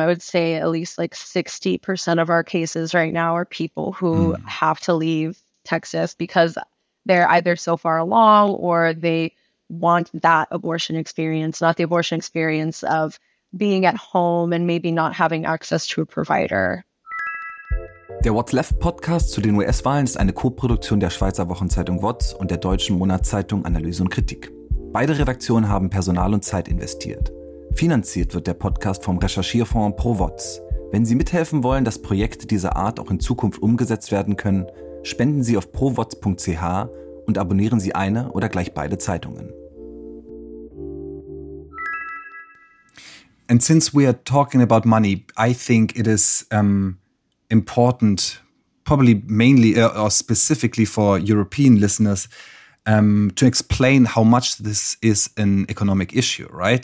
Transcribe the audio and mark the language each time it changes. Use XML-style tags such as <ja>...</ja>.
<en>I would say at least like 60% of our cases right now are people who have to leave Texas because they're either so far along or they want that abortion experience, not the abortion experience of being at home and maybe not having access to a provider.</en> <de>Der What's Left Podcast zu den US-Wahlen ist eine Co-Produktion der Schweizer Wochenzeitung WOTS und der deutschen Monatszeitung Analyse und Kritik. Beide Redaktionen haben Personal und Zeit investiert. Finanziert wird der Podcast vom Recherchierfonds Pro WOTS. Wenn Sie mithelfen wollen, dass Projekte dieser Art auch in Zukunft umgesetzt werden können, spenden Sie auf prowotz.ch und abonnieren Sie eine oder gleich beide Zeitungen.</de> <en>And since we are talking about money, I think it is important, probably mainly or specifically for European listeners, to explain how much this is an economic issue, right?</en>